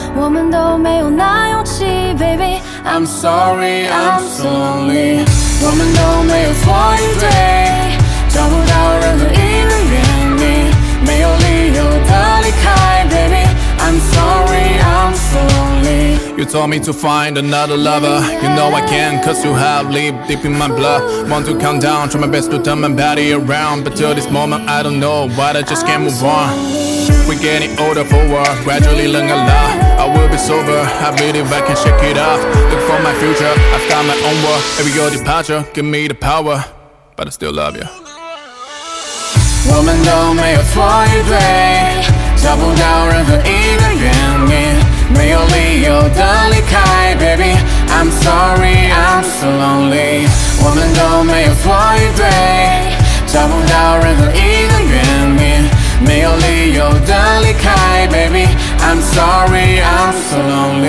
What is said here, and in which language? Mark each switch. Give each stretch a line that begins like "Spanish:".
Chinese: 我们都没有那勇气 baby.
English: I'm sorry, I'm so lonely.
Chinese: 我们都没有错与对，找不到任何一个原因，没有理由地离开 baby.
English: I'm sorry, I'm so lonely. You told me to find another lover. You know I can, cause you have lived deep in my blood. Want to calm down, try my best to turn my body around. But till this moment I don't know why, I just can't move on. We're getting older for work, gradually learn a lot. I will be sober, I believe I can shake it off. Look for my future, I've got my own world. Every your departure, give me the power, but I still love you.
Chinese: 我们都没有错与对，找不到任何一个原因，没有理由地离开 baby.
English: I'm sorry, I'm so lonely.
Chinese: 我们都没有错与对，找不到任何一个原因，没有理由地离开 baby.
English: I'm sorry, I'm so lonely.